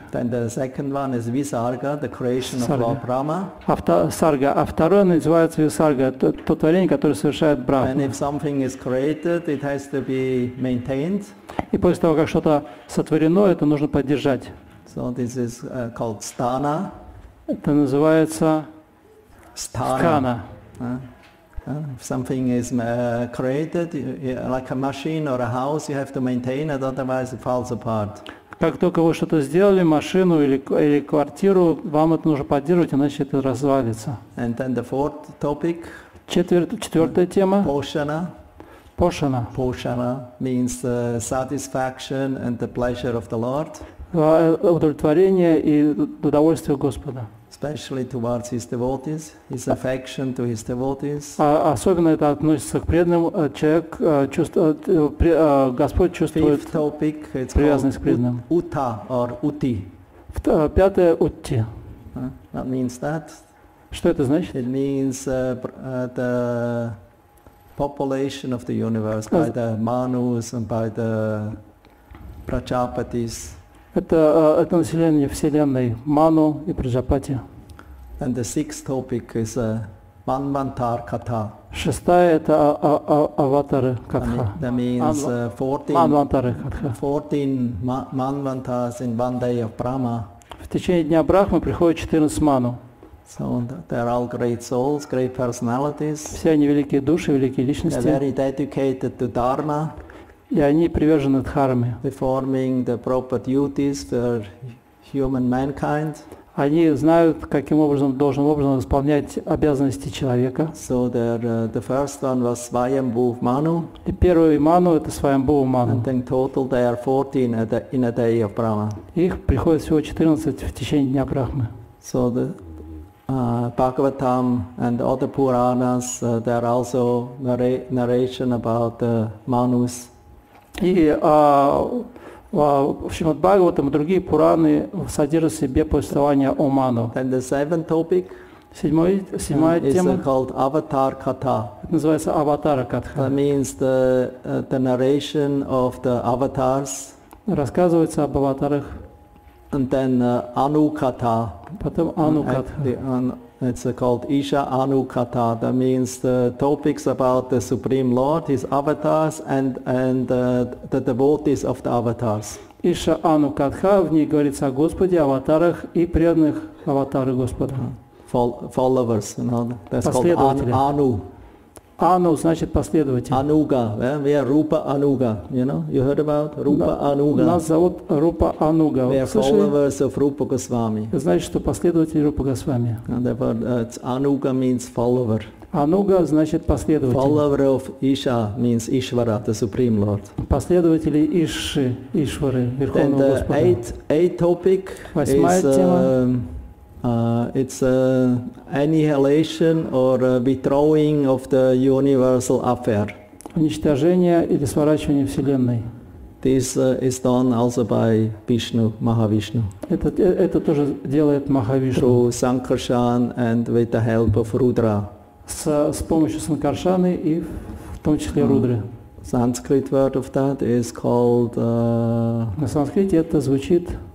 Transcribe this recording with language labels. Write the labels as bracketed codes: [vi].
[en] Then the second one is Visarga, the creation of Lord Brahma. Sarga. [ru] А второе называется Visarga, то творение, которое совершает Брахма. [en] And if something is created, it has to be maintained. [ru] И после того, как что-то сотворено, это нужно поддержать. [en] So this is called sthana. [ru] Это называется [en] sthana. If something is created, like a machine or a house, you have to maintain it, otherwise it falls apart. [ru] Как только вы что-то сделали, машину или квартиру, вам это нужно поддерживать, иначе это развалится. [en] And then the fourth topic. [ru] Четвертая тема. [en] Poshana. Poshana. Poshana means the satisfaction and the pleasure of the Lord. [ru] Удовлетворение и удовольствие Господа. [en] Especially towards his devotees, his affection to his devotees. [ru] Особенно это относится к преданным. Человек чувствует, Господь чувствует привязанность к преданным. [en] Utta or uti. [ru] Пятое utti. [en] What means that? [ru] Что это значит? [en] It means the population of the universe by the manus and by the prajapatis. [ru] Это население Вселенной, Ману и Праджапати. [en] And the sixth topic is Manvantar Katha. [ru] Шестая – это Аватары Катха. [en] That means 14 Manvantars in one day of Brahma. [ru] В течение дня Брахмы приходит 14 Ману. [en] So they are all great souls, great personalities. [ru] Все они великие души, великие личности. [en] They are very dedicated to Dharma. [ru] И они привержены дхарме. [en] Performing the proper duties for human mankind. [ru] Они знают, каким образом должен исполнять обязанности человека. [en] So the first one was Svayambhuva Manu. [ru] И первый ману это Svayambhuva Manu. [en] And then total there are 14 in a day of Brahma. [ru] Их приходит всего 14 в течение дня Брахмы. [en] So the Bhagavatam and other Puranas, there are also narration about the manus. [ru] И в Шримад-Бхагаватам и другие пураны содержат в себе повествование о ману. [en] Then the seventh topic. [ru] Седьмая тема. [en] It's called Avatar Katha. [ru] Это называется Аватара Катха. [en] That means the narration of the avatars. [ru] Рассказывается об аватарах. [en] And then Anu Katha. [ru] Потом Anu Katha. [en] It's called Isha Anu Katha. That means the topics about the Supreme Lord, his avatars, and the devotees of the avatars. Isha Anu Katha. [ru] В ней говорится о Господе, аватарах и преданных аватарах Господа. [en] Followers. You know, that's called Anu. [ru] Anu значит последователь. [en] Anuga. Yeah? We are Rupa Anuga. You know? You heard about Rupa Anuga? [ru] Нас зовут Рупа Ануга. [en] We are followers of Rupa Goswami. [ru] Значит, что последователь Рупа Госвами. [en] And therefore, Anuga means follower. [ru] Anuga значит последователь. [en] Follower of Isha means Ishvara, the Supreme Lord. [ru] Последователи Иши, Ишвары, Верховного [en] the [ru] Господа. [en] Eighth topic. [ru] Восьмая [en] is, [ru] тема. [en] It's annihilation or withdrawing of the universal affair. [ru] Уничтожение или сворачивание Вселенной. [en] This is done also by Vishnu, Mahavishnu. [ru] Это тоже делает Махавишну. [en] Through Sankarshan and with the help of Rudra. [ru] С помощью Санкаршаны и в том числе Рудры. [en] Sanskrit word of that is called... [ru] На санскрите это звучит...